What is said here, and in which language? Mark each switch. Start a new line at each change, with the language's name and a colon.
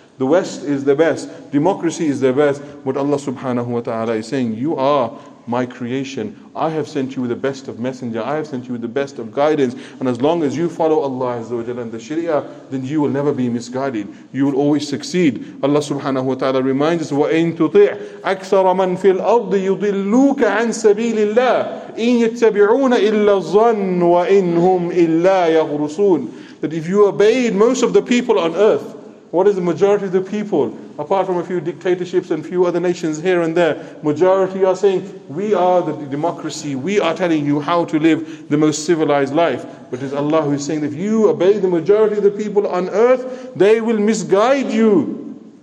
English: The West is the best. Democracy is the best. But Allah subhanahu wa ta'ala is saying, you are my creation. I have sent you with the best of messenger. I have sent you with the best of guidance. And as long as you follow Allah azza wa jalla and the sharia, then you will never be misguided. You will always succeed. Allah subhanahu wa ta'ala reminds us,
Arabic: وَإِن تُطِعْ أَكْثَرَ مَن فِي الْأَرْضِ يُضِلُّوكَ عَن سَبِيلِ اللَّهِ إِن يَتَّبِعُونَ إِلَّا الظَّنُّ وَإِن هُمْ إِلَّا يَغْرُسُونَ.
English: That if you obeyed most of the people on earth, what is the majority of the people, apart from a few dictatorships and few other nations here and there, majority are saying, we are the democracy, we are telling you how to live the most civilized life. But it's Allah who is saying, if you obey the majority of the people on earth, they will misguide you.